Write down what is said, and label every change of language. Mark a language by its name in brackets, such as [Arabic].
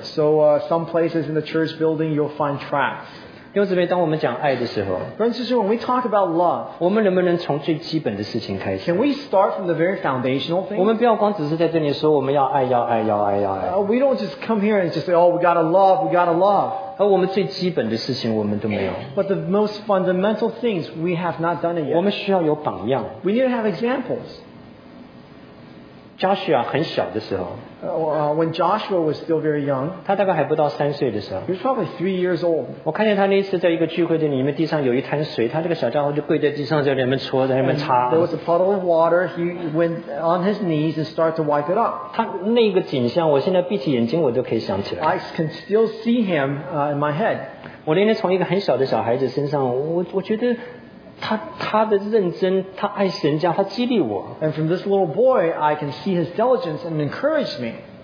[English] So some places in the church building, you'll find tracks. [Chinese] 弟兄姊妹，当我们讲爱的时候 [English] ，Friends, sister, when we talk about love, [Chinese] 我们能不能从最基本的事情开始 [English] ？Can we start from the very foundational thing? [Chinese] 我们不要光只是在这里说我们要爱，要爱，要爱，要爱。 [English] We don't just come here and just say, "Oh, we gotta love, we gotta love." [Chinese] 而我们最基本的事情我们都没有。 [English] But the most fundamental things we have not done it yet. [Chinese] 我们需要有榜样。 [English] We need to have examples. [Chinese] Joshua 很小的时候 [English] When Joshua was still very young, [Chinese] 他大概还不到三岁的时候 [English] He was probably 3 years old. [Chinese] 我看见他那次在一个聚会的里面，地上有一滩水，他这个小家伙就跪在地上在那边搓，在那边擦。 [English] There was a puddle of water. He went on his knees and started to wipe it up. [Chinese] 他那个景象，我现在闭起眼睛我都可以想起来。 [English] I can still see him in my head. [Chinese] 我那天从一个很小的小孩子身上，我觉得。他的认真，他爱神家，他激励我。 [English] And from this little boy, I can see his diligence and encourage me.